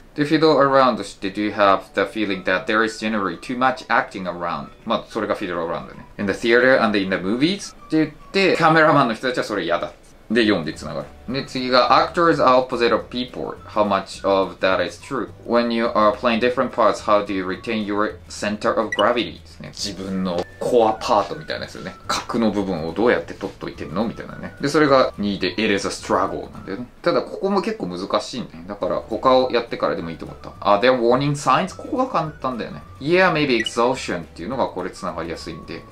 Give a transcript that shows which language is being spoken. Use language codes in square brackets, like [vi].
[en] で Fiddle around して Do you have the feeling that there is generally too much acting around? [ja] まあそれが Fiddle around ね。 [en] In the theater and in the movies? [ja] って言ってカメラマンの人たちはそれ嫌だで、4で繋がる。で、次が、 [en] Actors are opposite of people. How much of that is true? When you are playing different parts, how do you retain your center of gravity? [ja] ですね。自分のコアパートみたいなやつよね。核の部分をどうやって取っといてんのみたいなね。で、それが2で、 [en] It is a struggle [ja] なんだよね。ただ、ここも結構難しいね。だから、他をやってからでもいいと思った。 [en] Are there warning signs? [ja] ここが簡単だよね。 [en] Yeah, maybe exhaustion [ja] っていうのがこれ繋がりやすいんで。